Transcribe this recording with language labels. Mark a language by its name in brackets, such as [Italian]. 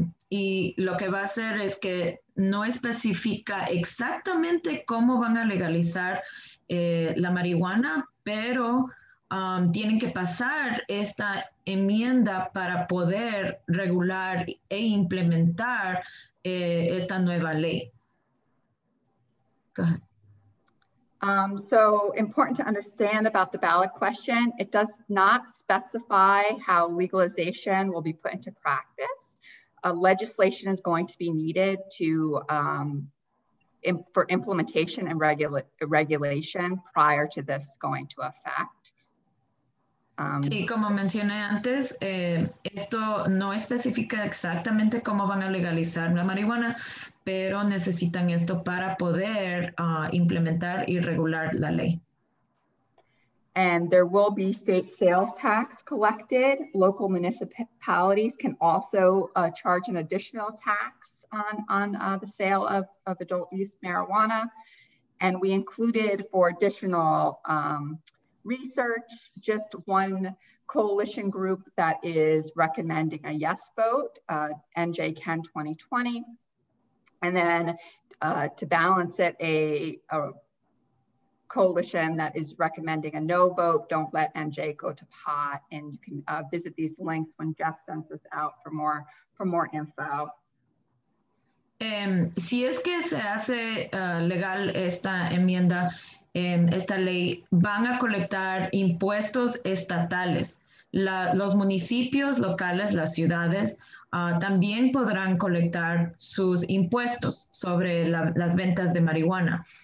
[Spanish] Y lo que va a hacer es que no especifica exactamente cómo van a legalizar la marihuana, pero tienen que pasar esta enmienda para poder regular e implementar esta nueva ley. [English] Go ahead. So important to understand about the ballot question, it does not specify how legalization will be put into practice. Legislation is going to be needed to for implementation and regulation prior to this going to effect. [Spanish] Sí, como mencioné antes, esto no especifica exactamente cómo van a legalizar la marihuana, pero necesitan esto para poder implementar y regular la ley. [English] And there will be state sales tax collected. Local municipalities can also charge an additional tax on the sale of adult use marijuana. And we included for additional research, just one coalition group that is recommending a yes vote, NJ Ken 2020. And then to balance it, a coalition that is recommending a no vote, don't let NJ go to pot. And you can visit these links when Jeff sends this out for more info. [Spanish] Si es que se hace legal esta enmienda, esta ley, van a colectar impuestos estatales. Los municipios locales, las ciudades, también podrán colectar sus impuestos sobre las ventas de marihuana.